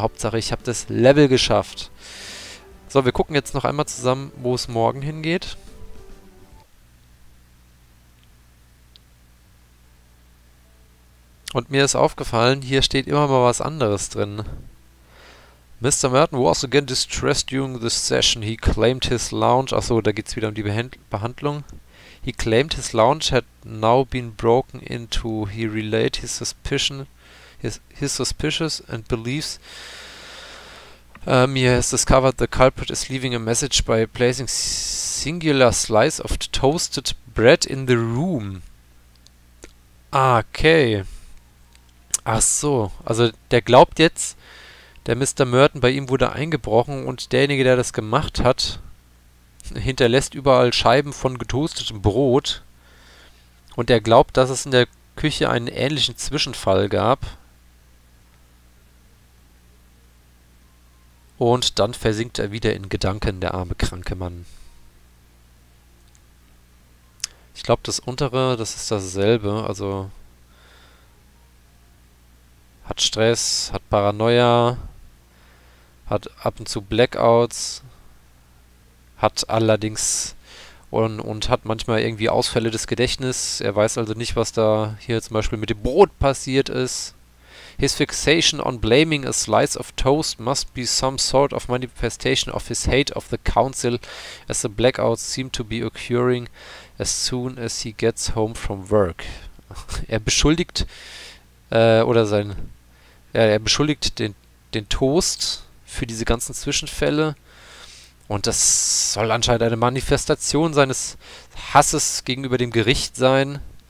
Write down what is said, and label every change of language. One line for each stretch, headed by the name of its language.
German: Hauptsache, ich habe das Level geschafft. So, wir gucken jetzt noch einmal zusammen, wo es morgen hingeht. Und mir ist aufgefallen, hier steht immer mal was anderes drin.
English: Mr. Merton was again distressed during the session. He claimed his lounge.
German: Achso, da geht es wieder um die Behandlung.
English: He claimed his lounge had now been broken into. He relayed his suspicions and beliefs. He has discovered the culprit is leaving a message by placing singular slice of toasted bread in the room.
German: Okay. Ach so. Also der glaubt jetzt, der Mr. Merton bei ihm wurde eingebrochen und derjenige, der das gemacht hat, hinterlässt überall Scheiben von getoastetem Brot. Und er glaubt, dass es in der Küche einen ähnlichen Zwischenfall gab. Und dann versinkt er wieder in Gedanken, der arme kranke Mann. Ich glaube, das untere, das ist dasselbe. Also hat Stress, hat Paranoia, hat ab und zu Blackouts, hat allerdings und hat manchmal irgendwie Ausfälle des Gedächtnisses. Er weiß also nicht, was da hier zum Beispiel mit dem Brot passiert ist.
English: His fixation on blaming a slice of toast must be some sort of manifestation of his hate of the council, as the blackouts seem to be occurring as soon as he gets home from work.
German: Er beschuldigt oder sein ja, er beschuldigt den Toast für diese ganzen Zwischenfälle und das soll anscheinend eine Manifestation seines Hasses gegenüber dem Gericht sein.